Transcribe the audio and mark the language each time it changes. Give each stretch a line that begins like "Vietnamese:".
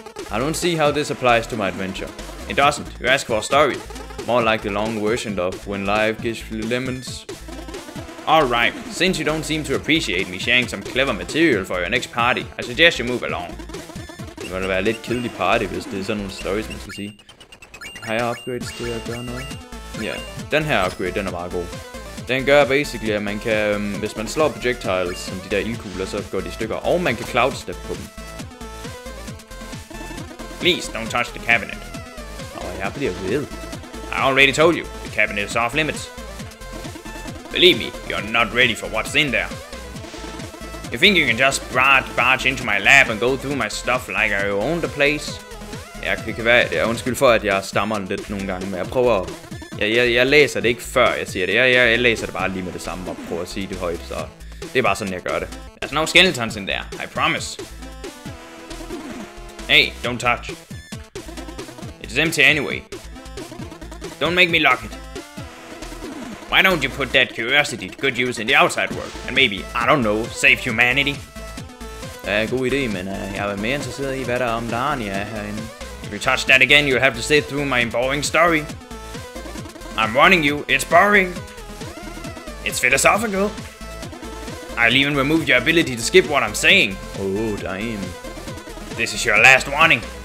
English: I don't see how this applies to my adventure. It doesn't. You ask for a story. More like the long version of When Life Gives You Lemons. Alright, since you don't seem to appreciate me sharing some clever material for your next party, I suggest you move along.
Danish: Det måtte være lidt kedelig party, hvis det er sådan nogle stories, man skal sige. Har jeg upgrades til at gøre noget? Ja, den her upgrade, den er bare god. Den gør basically, at man kan, hvis man slår projectiles, som de der ildkugler, så går de i stykker, og man kan cloudstep på dem.
English: Please, don't touch the cabinet.
Danish: Åh, jeg bliver ved.
English: I already told you, the cabinet is off limits. Believe me, you're not ready for what's in there. You think you can just barge into my lab and go through my stuff like I own the place?
Danish: Ja, det kan være, jeg undskyld for, at jeg stammer lidt nogle gange, men jeg prøver at... Jeg læser det ikke før, jeg siger det. Jeg læser det bare lige med det samme og prøver at sige det højt, så... Det er bare sådan, jeg gør det.
English: There's no skeletons in there, I promise. Hey, don't touch. It's empty anyway. Don't make me lock it. Why don't you put that curiosity to good use in the outside world? And maybe, I don't know, save humanity?
Danish: Ja, god idé, men jeg er mere interesseret i, hvad der er om Narnia herinde.
English: If you touch that again, you'll have to sit through my boring story. I'm warning you, it's boring. It's philosophical. I'll even remove your ability to skip what I'm saying. Oh, damn. This is your last warning.